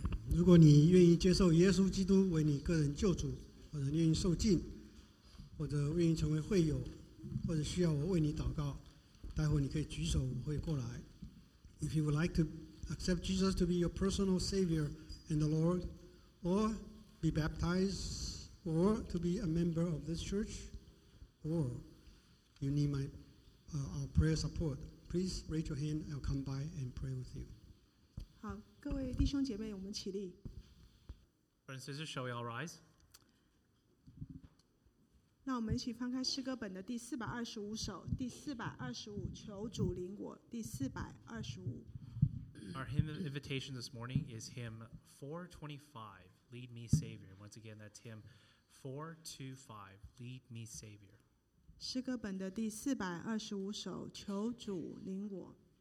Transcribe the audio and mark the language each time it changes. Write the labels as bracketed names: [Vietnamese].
[Chinese] 如果你愿意接受耶稣基督为你个人救主，或者愿意受浸，或者愿意成为会友，或者需要我为你祷告，待会你可以举手，我会过来。 [English] If you would like to accept Jesus to be your personal Savior and the Lord, or be baptized, or to be a member of this church, or you need my our prayer support, please raise your hand. I'll come by and pray with you. [Chinese] 各位弟兄姐妹，我们起立。 [English] Brothers and sisters, shall we all rise? [Chinese] 那我们一起翻开诗歌本的第四百二十五首，第四百二十五，求主领我，第四百二十五。 [English] Our hymn of invitation this morning is hymn 425, Lead Me, Savior. Once again, that's hymn 425, Lead Me, Savior. [Chinese] 诗歌本的第四百二十五首，求主领我。